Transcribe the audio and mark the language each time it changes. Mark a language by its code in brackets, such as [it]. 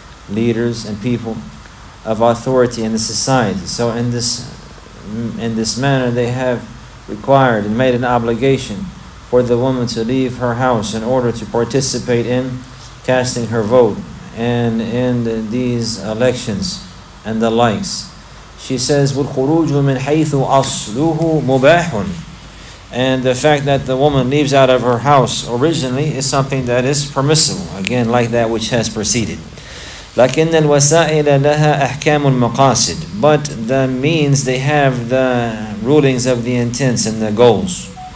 [en] Leaders and people of authority in the society. So in this manner, they have required and made an obligation for the woman to leave her house in order to participate in casting her vote and in these elections and the likes. She says, [ar] وَالْخُرُوجُ مِنْ حَيْثُ أَصْلُهُ مُبَاحٌ. [en] And the fact that the woman leaves out of her house originally is something that is permissible. Again, like that which has preceded. [ar] لَكِنَّ الْوَسَائِلَ لَهَا أَحْكَامُ الْمَقَاسِدِ. [en] But the means, they have the rulings of the intents and the goals.